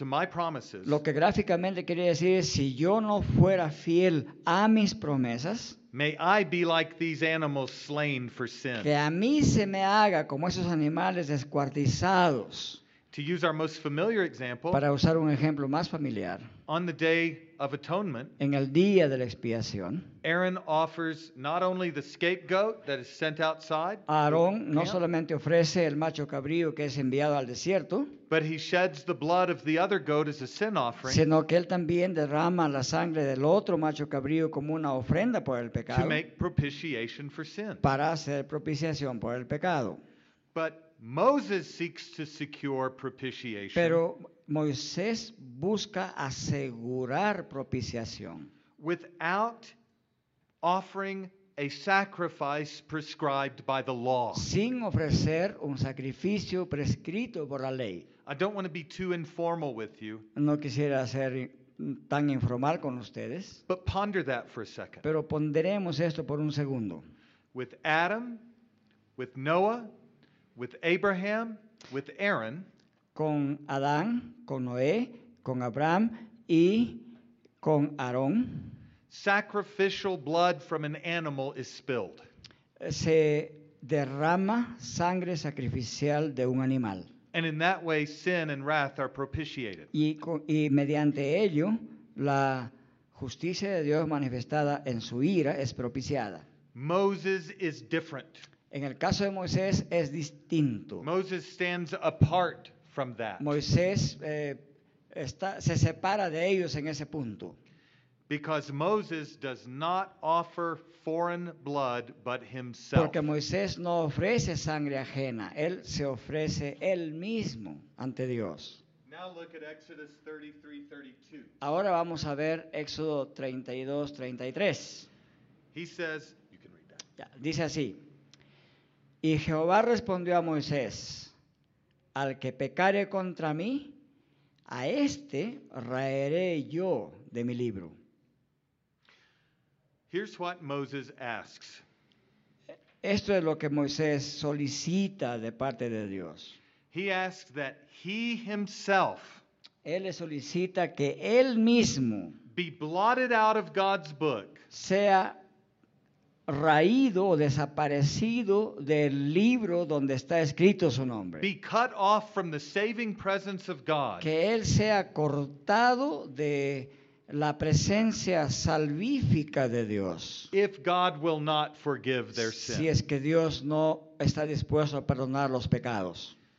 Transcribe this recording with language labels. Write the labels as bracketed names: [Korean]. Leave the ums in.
[Spanish] Promises, lo que gráficamente quiere decir es si yo no fuera fiel a mis promesas. [English] May I be like these animals slain for sin. [Spanish] Que a mí se me haga como esos animales descuartizados. [English] To use our most familiar example, [Spanish] Para usar un ejemplo más familiar. [English] On the day of atonement, [Spanish] en el día de la expiación, [English] Aaron offers not only the scapegoat that is sent outside. [Spanish] Aaron no camp. solamente ofrece el macho cabrío que es enviado al desierto. [English] But he sheds the blood of the other goat as a sin offering. [Spanish] Sino que él también derrama la sangre del otro macho cabrío como una ofrenda por el pecado. [English] To make propitiation for sin. [Spanish] Para hacer propiciación por el pecado. [English] But Moses seeks to secure propitiation. [Spanish] Pero Moisés busca asegurar propiciación. [English] Without offering a sacrifice prescribed by the law. [Spanish] Sin ofrecer un sacrificio prescrito por la ley. [English] I don't want to be too informal with you. [Spanish] No quisiera ser tan informal con ustedes. [English] But ponder that for a second. [Spanish] Pero ponderemos esto por un segundo. [English] With Adam, with Noah, with Abraham, with Aaron, [Spanish] con Adán, con Noé, con Abraham y con Aarón [English] sacrificial blood from an animal is spilled. [Spanish] Se derrama sangre sacrificial de un animal. [English] And in that way, sin and wrath are propitiated. [Spanish] Y, y mediante ello, la justicia de Dios manifestada en su ira es propiciada. [English] Moses is different. [Spanish] En el caso de Moisés es distinto. [English] Moses stands apart from that. [Spanish] Moisés eh, se separa de ellos en ese punto. [English] Because Moses does not offer foreign blood but himself. [Spanish] Porque Moisés no ofrece sangre ajena, él se ofrece él mismo ante Dios. [English] Now look at Exodus 33, [Spanish] Ahora vamos a ver Éxodo 32, 33. [English] He says, you can read that. [Spanish] dice así: Y Jehová respondió a Moisés: Al que pecare contra mí, a este raeré yo de mi libro. [English] Here's what Moses asks. [Spanish] Esto es lo que Moisés solicita de parte de Dios. [English] He asks that he himself [Spanish] él le solicita que él mismo [English] be blotted out of God's book. [Spanish] sea raído o desaparecido del libro donde está escrito su nombre. [English] Be cut off from the saving presence of God. [Spanish] Que él sea cortado de la presencia salvífica de Dios. [English] If God will not their si sins. es [Spanish] que Dios no está dispuesto a perdonar los pecados.